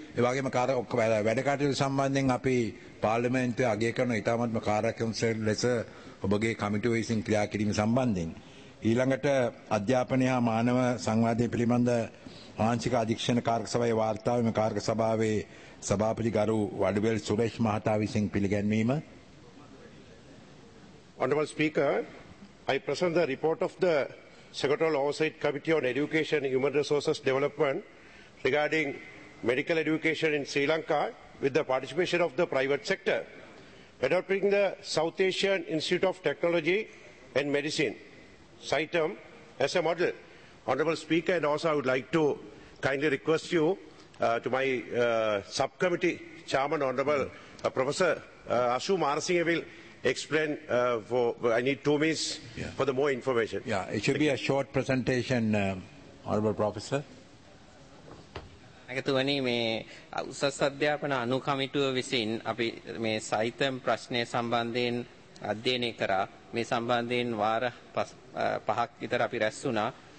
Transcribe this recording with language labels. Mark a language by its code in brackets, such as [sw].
[si] ඒ වගේම කාරක වැඩ කටයුතු සම්බන්ධයෙන් අපි පාර්ලිමේන්තුවේ අගය කරන ඉතාමත්ම කාර්යක්ෂම ලෙස ඔබගේ කමිටු විසින් ක්‍රියා කිරීම සම්බන්ධයෙන් ඊළඟට අධ්‍යාපනය හා මානව සංවාදයේ පිළිබඳ ආංශික අධීක්ෂණ කාරක සභාවේ වාර්තාවේ කාරක සභාවේ සභාපති ගරු වඩවෙල් සුරේෂ් මහතා විසින් පිළිගැන්වීම. [en] Honorable Speaker, I present the report of the Secretarial Oversight Committee on Education and Human Resources Development regarding medical education in Sri Lanka with the participation of the private sector, adopting the South Asian Institute of Technology and Medicine, SITEM, as a model. Honorable Speaker, and also I would like to kindly request you to my subcommittee chairman, Honorable Professor Ashu Marasinghe will explain for I need 2 minutes for the more information. Yeah, it should be a short presentation, Honorable Professor. [si] ඇතුවනි මේ උසස් අධ්‍යාපන අනුකමිටුව විසින් අපි මේ සයිතම් ප්‍රශ්නය සම්බන්ධයෙන් අධ්‍යයනය කරා. මේ සම්බන්ධයෙන් වාර 5ක් විතර අපි රැස් වුණා.